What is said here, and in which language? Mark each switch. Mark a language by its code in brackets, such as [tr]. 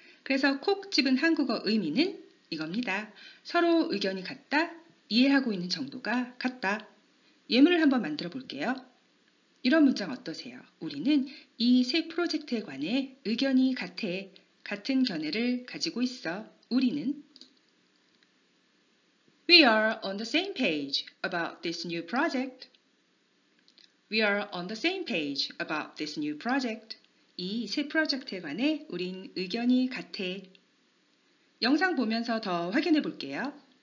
[ko] 그래서 콕 집은 한국어 의미는 이겁니다. 서로 의견이 같다, 이해하고 있는 정도가 같다. 예문을 한번 만들어 볼게요. 이런 문장 어떠세요? 우리는 이 새 프로젝트에 관해 의견이 같아, 같은 견해를 가지고 있어. 우리는 [en] We are on the same page about this new project. We are on the same page about this new project. [ko] 이 새 프로젝트에 관해 우린 의견이 같아. 영상 보면서 더 확인해 볼게요.